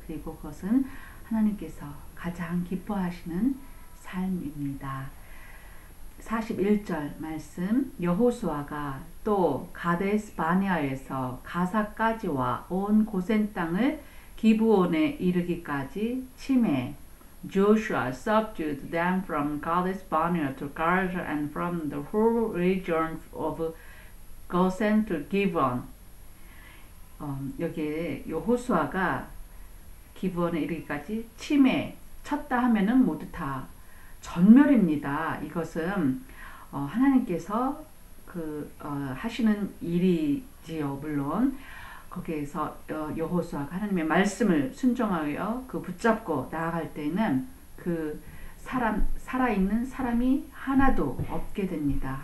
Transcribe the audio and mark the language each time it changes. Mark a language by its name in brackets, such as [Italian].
[Korean] 그리고 그것은 하나님께서 가장 기뻐하시는 삶입니다. 41절 말씀, 여호수아가 또 가데스 바네아에서 가사까지와 온 고센 땅을 기브온에 이르기까지 치매. [English] Joshua subdued them from Kadesh Barnea to Gaza and from the whole region of Goshen to Gibeon. [Korean] 여기에 여호수아가 기브온에 이르기까지 치매 쳤다 하면은 모두 다 전멸입니다. 이것은 하나님께서 하시는 일이지요. 물론 거기에서 여호수아가 하나님의 말씀을 순종하여 그 붙잡고 나아갈 때는 그 사람 살아있는 사람이 하나도 없게 됩니다.